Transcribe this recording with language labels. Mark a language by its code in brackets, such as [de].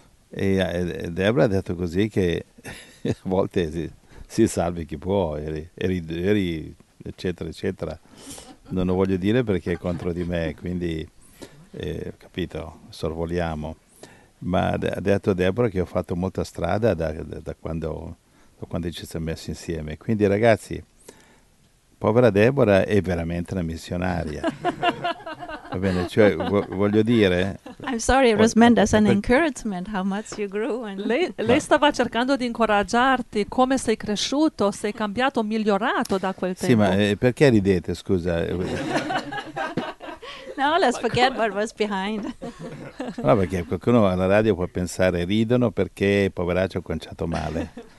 [it] E Debra ha detto così che a volte si salvi chi può, eri eccetera eccetera, non lo voglio dire perché è contro di me, quindi capito, sorvoliamo, ma ha detto Debra che ho fatto molta strada da quando ci siamo messi insieme. Quindi ragazzi, povera Debra è veramente una missionaria. Va bene, cioè voglio dire, [en] I'm sorry, it was meant as an encouragement how much you grew. And [it] lei stava cercando di incoraggiarti, come sei cresciuto, sei cambiato, migliorato da quel tempo. Sì, ma perché ridete, scusa? [en] No, let's forget what was behind. [it] No, perché qualcuno alla radio può pensare, ridono perché poveraccio ha conciato male.